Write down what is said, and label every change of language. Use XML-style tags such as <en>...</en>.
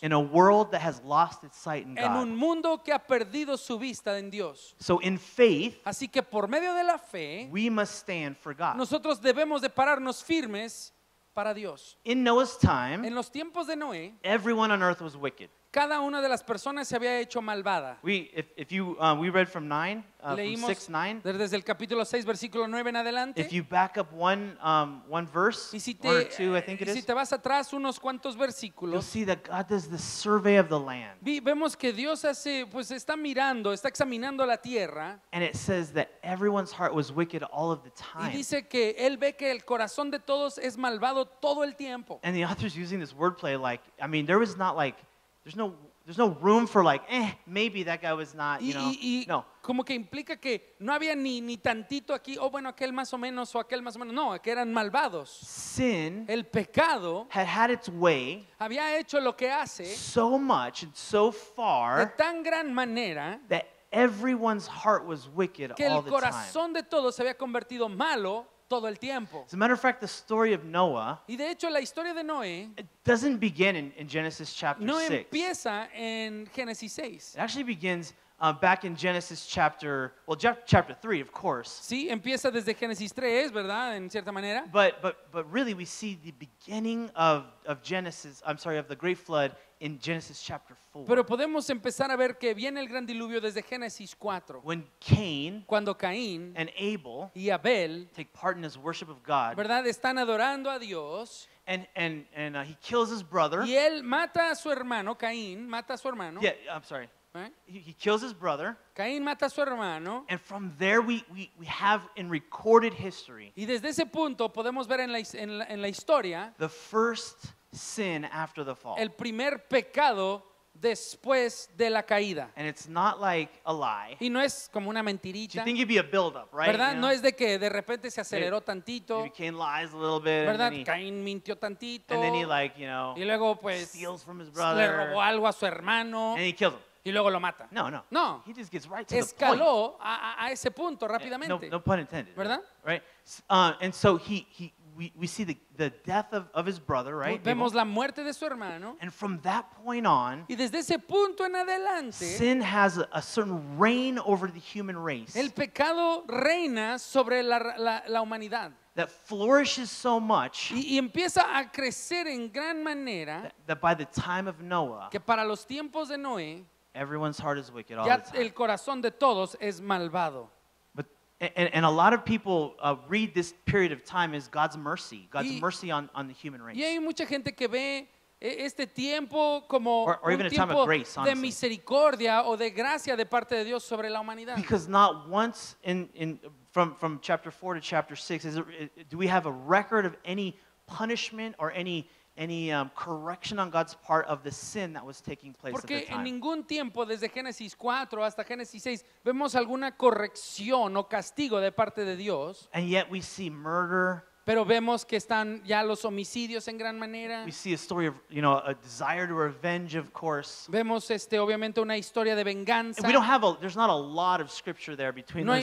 <en>in a world that has lost its sight in God,</en> <es>en un mundo que ha perdido su vista en Dios.</es> <en>So in faith,</en> <es>así que por medio de la fe,</es> <en>we must stand for God.</en> <es>Nosotros debemos de pararnos firmes para Dios.</es> <en>In Noah's time,</en> <es>en los tiempos de Noé,</es> <en>everyone on earth was wicked.</en> <es>Cada una de las personas se había hecho malvada.</es> <en>We read from 9, from 6, 9.</en> <es>Desde el capítulo 6, versículo 9 en adelante.</es> <en>If you back up one verse,</en> <es>y si</es> <en>te, one or two, I think it</en> <es>si</es> <en>is.</en> <es>Si te vas atrás unos cuantos versículos.</es> <en>You'll see that God does the survey of the land.</en> <es>Vemos que Dios hace, pues está mirando, está examinando la tierra.</es> <en>And it says that everyone's heart was wicked all of the time.</en> <es>Y dice que Él ve que el corazón de todos es malvado todo el tiempo.</es> <en>And the author's using this wordplay like, I mean, there was not like, There's no room for like, maybe that guy was not,</en> <es>no. Como que implica que no había ni tantito aquí, bueno, aquel más o menos, o aquel más o menos. No, que eran malvados.</es> <en>Sin,</en> <es>el pecado,</es> <en>had its way,</en> <es>había hecho lo que hace,</es> <en>so much and so far,</en> <es>de tan gran manera,</es> <en>that everyone's heart was wicked all the time.</en> <es>Que el corazón de todos se había convertido malo todo el tiempo.</es> <en>As a matter of fact, the story of Noah,</en> <es>y de hecho, la historia de Noé,</es> <en>it doesn't begin in Genesis chapter 6.</en> <es>No empieza en Génesis 6.</es> <en>It actually begins back in Genesis chapter, well, chapter 3, of course.</en> <es>Sí, empieza desde Génesis 3, ¿verdad? En cierta manera.</es> <en>But really we see the beginning of Genesis, I'm sorry, of the great flood in Genesis chapter 4.</en> <es>Pero podemos empezar a ver que viene el gran diluvio desde Génesis 4.</es> <en>When Cain,</en> <es>cuando Caín,</es> <en>and Abel,</en> <es>y Abel,</es> <en>take part in his worship of God.</en> <es>¿Verdad? Están adorando a Dios.</es> <en>And he kills his brother.</en> <es>Y él mata a su hermano, Caín, mata a su hermano.</es> <en>Yeah, I'm sorry. Right? He kills his brother.</en> <es>Caín mata a su hermano.</es> <en>And from there we have in recorded history.</en> <es>Y desde ese punto podemos ver en la historia.</es> <en>The first sin after the fall.</en> <es>El primer pecado después de la caída.</es> <en>And it's not like a lie.</en> <es>Y no es como una mentirita.</es> <en>You think it'd be a build up, right?</en> <es>¿Verdad? No es de que de repente se aceleró tantito.</es> <en>Maybe Cain lies a little bit.</en> <es>¿Verdad? Caín mintió tantito.</es> <en>And then he like, you know,</en> <es>y luego, pues,</es> <en>steals from his brother.</en> <es>Le robó algo a su hermano.</es> <en>And he kills him.</en> <es>Y luego lo mata.</es> <en>No. He just gets right to</en> <es>escaló</es> <en>the point.</en> <es>Escaló a ese punto rápidamente.</es> <en>Yeah, no pun intended.</en> <es>¿Verdad?</es> <en>Right? And so we see the death of his brother, right?</en> <es>Vemos la muerte de su hermano.</es> <en>And from that point on,</en> <es>y desde ese punto en adelante,</es> <en>sin has a certain reign over the human race.</en> <es>El pecado reina sobre la humanidad.</es> <en>That flourishes so much,</en> <es>y empieza a crecer en gran manera,</es> <en>that by the time of Noah,</en> <es>que para los tiempos de Noé,</es> <en>everyone's heart is wicked all</en> <es>ya</es> <en>the time.</en> <es>El corazón de todos es malvado.</es> <en>But and a lot of people read this period of time as God's mercy, God's mercy on the human race.</en> <es>Y hay mucha gente que ve este tiempo como</es> <en>or even a time</en> <es>tiempo</es> <en>of grace,</en> <es>de misericordia o de gracia de parte de Dios sobre la humanidad.</es> <en>Because not once from chapter 4 to chapter 6 do we have a record of any punishment or any correction on God's part of the sin that was taking place.</en> <es>Porque</es> <en>at the time.</en> <es>Porque en ningún tiempo desde Génesis 4 hasta Génesis 6 vemos alguna corrección o castigo de parte de Dios.</es> <en>And yet we see murder.</en> <es>Pero vemos que están ya los homicidios en gran manera.</es> <en>We see a story of, a desire to revenge, of course.</en> <es>Vemos obviamente una historia de venganza.</es> <en>And we don't have there's not a lot of scripture there between</en>